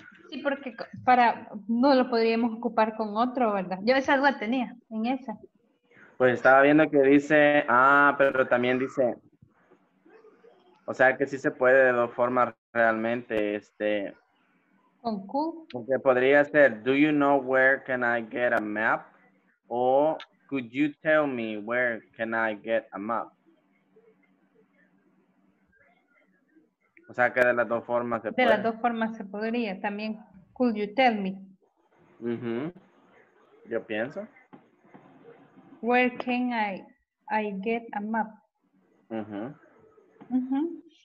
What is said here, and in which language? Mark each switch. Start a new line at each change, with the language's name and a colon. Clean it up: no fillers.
Spanish: Sí, porque para no lo podríamos ocupar con otro, ¿verdad? Yo esa duda tenía en esa. Pues estaba viendo que dice, ah, pero también dice, o sea que sí se puede de dos formas realmente, este. ¿Con Q? Porque podría ser,
English: do you know where can I get a map? O, could you tell me where can I get a map?
Spanish: O sea que de las dos formas se de puede. De las dos formas se podría, también,
English: could you tell me?
Spanish: Uh-huh. Yo pienso.
English: Where can I get a map? Uh-huh. Uh-huh.